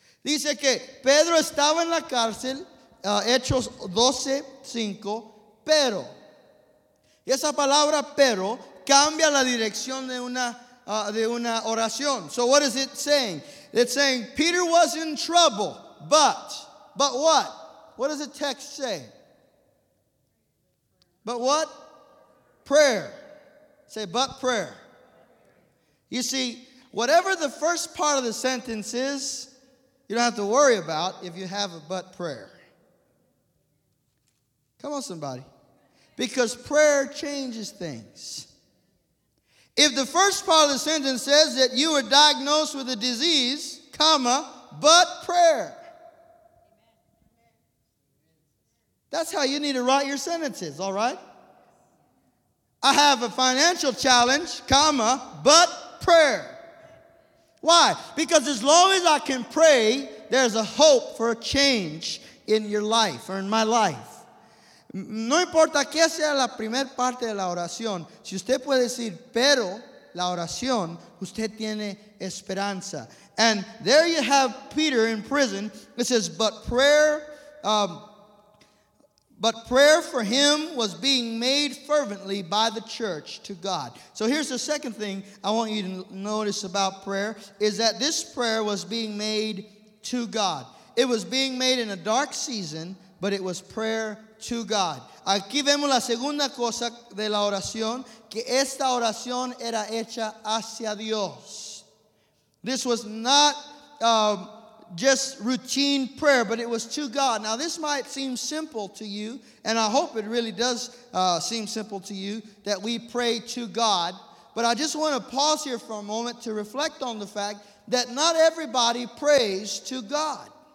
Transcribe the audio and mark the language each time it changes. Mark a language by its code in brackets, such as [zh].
[es] Dice que Pedro estaba en la cárcel, Hechos 12, 5, pero. Y esa palabra pero cambia la dirección de una oración. [en] So what is it saying? It's saying Peter was in trouble, but what? What does the text say? But what? Prayer. Say, but prayer. You see, whatever the first part of the sentence is, you don't have to worry about if you have a but prayer. Come on, somebody. Because prayer changes things. If the first part of the sentence says that you were diagnosed with a disease, comma, but prayer. That's how you need to write your sentences, all right? I have a financial challenge, comma, but prayer. Why? Because as long as I can pray, there's a hope for a change in your life or in my life. [es] No importa qué sea la primera parte de la oración, si usted puede decir, pero la oración, usted tiene esperanza. [en] And there you have Peter in prison. It says, but prayer for him was being made fervently by the church to God. So here's the second thing I want you to notice about prayer, is that this prayer was being made to God. It was being made in a dark season, but it was prayer to God. [es] Aquí vemos la segunda cosa de la oración, que esta oración era hecha hacia Dios. [en] This was not just routine prayer, but it was to God. Now, this might seem simple to you, and I hope it really does seem simple to you, that we pray to God. But I just want to pause here for a moment to reflect on the fact that not everybody prays to God.